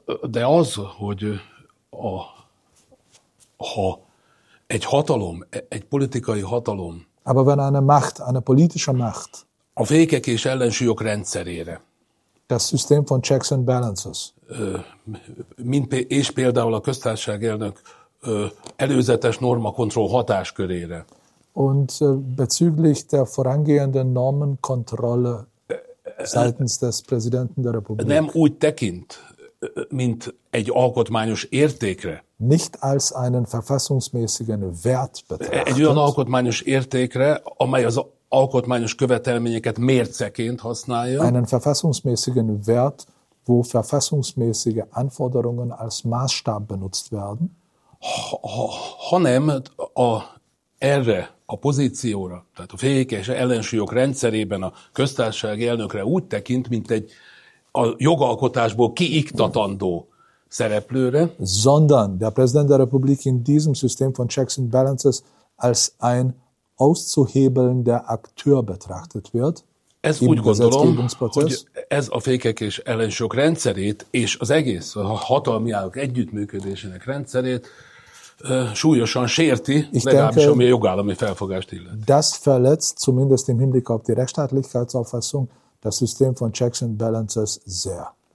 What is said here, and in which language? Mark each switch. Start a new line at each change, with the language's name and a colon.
Hungarian: De az, hogy ha egy hatalom, egy politikai hatalom,
German: aber wenn eine Macht, eine politische Macht,
Hungarian: a fékek és ellensúlyok rendszerére,
German: das System von checks and balances,
Hungarian: mint és például a köztársaság elnök előzetes normakontroll hatáskörére,
German: und bezüglich der vorangehenden Normenkontrolle seitens des Präsidenten der Republik,
Hungarian: nem úgy tekint, mint egy alkotmányos értékre,
German: nicht als einen verfassungsmäßigen Wert betrachtet,
Hungarian: egy olyan alkotmányos értékre, amely az alkotmányos követelményeket mérceként használja,
German: einen verfassungsmäßigen Wert, wo verfassungsmäßige Anforderungen als Maßstab benutzt werden,
Hungarian: hanem a erre a pozícióra, tehát a fékes ellensúlyok rendszerében a köztársasági elnökre úgy tekint, mint egy a jogalkotásból kiiktatandó szereplőre,
German: sondern der Präsident der Republik in diesem System von checks and balances als ein auszuhebelnder Akteur betrachtet wird.
Hungarian: Ez úgy gondolom, hogy ez a fékek és ellensúlyok rendszerét és az egész a hatalmi állók együttműködésének rendszerét súlyosan sérti, legalábbis ami a jogállami felfogást illet.
German: Das verletzt zumindest im Hinblick auf die Rechtsstaatlichkeitsauffassung das System von checks and balances sehr.